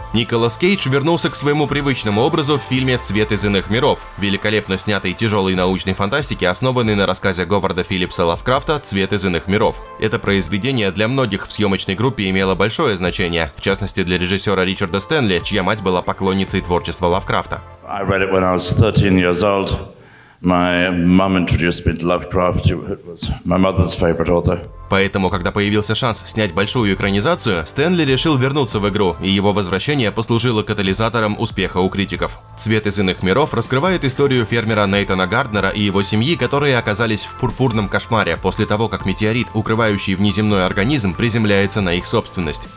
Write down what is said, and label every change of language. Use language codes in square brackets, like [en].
[ru] Николас Кейдж вернулся к своему привычному образу в фильме «Цвет из иных миров», великолепно снятой тяжелой научной фантастики, основанной на рассказе Говарда Филлипса Лавкрафта «Цвет из иных миров». Это произведение для многих в съемочной группе имело большое значение, в частности для режиссера Ричарда Стэнли, чья мать была поклонницей творчества Лавкрафта. [en] I read it when I was 13 years old. My mom introduced me to Lovecraft. It was my mother's favorite author. [ru] Поэтому, когда появился шанс снять большую экранизацию, Стэнли решил вернуться в игру, и его возвращение послужило катализатором успеха у критиков. «Цвет из иных миров» раскрывает историю фермера Нейтана Гарднера и его семьи, которые оказались в пурпурном кошмаре после того, как метеорит, укрывающий внеземной организм, приземляется на их собственность.